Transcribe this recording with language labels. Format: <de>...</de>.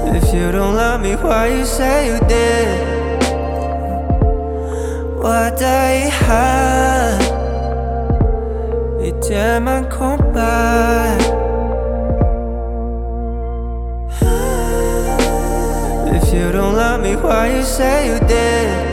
<en>You don't love me, why you say you did? What a</en> <zh>遗憾，一天满空白。</zh> <en>If you don't love me, why you say you did?</en>